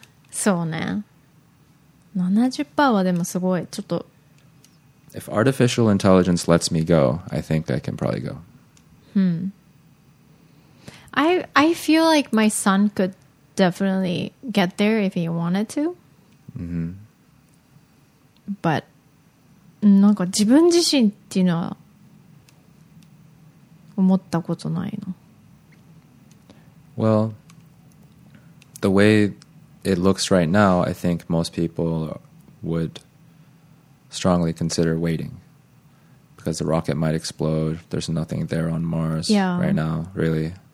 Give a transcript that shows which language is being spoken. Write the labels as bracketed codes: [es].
[ja] そうね。70% はでもすごい。ちょっと。 [en] If artificial intelligence lets me go, I think I can probably go. I feel like my son could definitely get there if he wanted to. [ja] But なんか自分自身っていうのは思ったことないの。 [en] Well,the way it looks right now, I think most people would strongly consider waiting because the rocket might explode. There's nothing there on Mars right now, really.